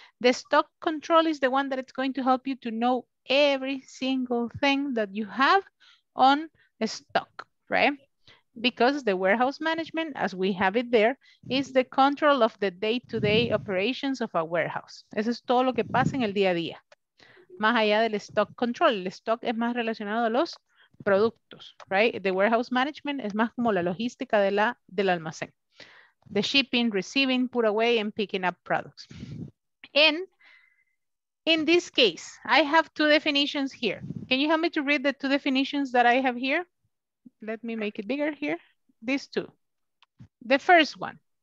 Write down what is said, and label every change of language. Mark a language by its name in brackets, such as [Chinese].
[English] The stock control is the one that it's going to help you to know every single thing that you have on the stock, right? Because the warehouse management, as we have it there, is the control of the day-to-day operations of a warehouse. [Spanish] Eso es todo lo que pasa en el día a día. Más allá del stock control, el stock es más relacionado a los productos, right? The warehouse management es más como la logística de la, del almacén. [English] The shipping, receiving, put away, and picking up products. And in this case, I have two definitions here. Can you help me to read the two definitions that I have here? Let me make it bigger here. These two. The first one.